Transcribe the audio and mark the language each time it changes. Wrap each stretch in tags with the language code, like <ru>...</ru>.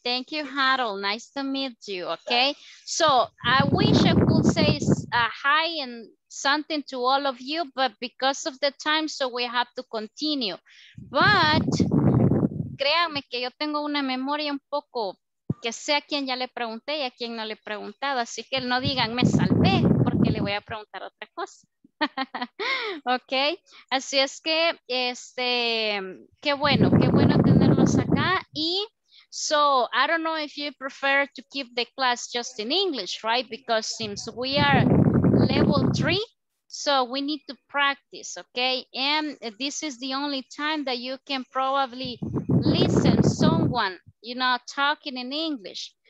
<en>Thank you, Harold. Nice to meet you. Okay, so I wish I could say hi and something to all of you, but because of the time, so we have to continue.</en> <es>But créanme que yo tengo una memoria un poco, que sé a quién ya le pregunté y a quién no le he preguntado, así que no digan me salvé, porque le voy a preguntar otra cosa. Ok, así es que, qué bueno tenerlos acá.</es> <en>Y so, I don't know if you prefer to keep the class just in English, right? Because since we are level 3, so we need to practice, okay? And this is the only time that you can probably listen to someone, you know, talking in English.</en>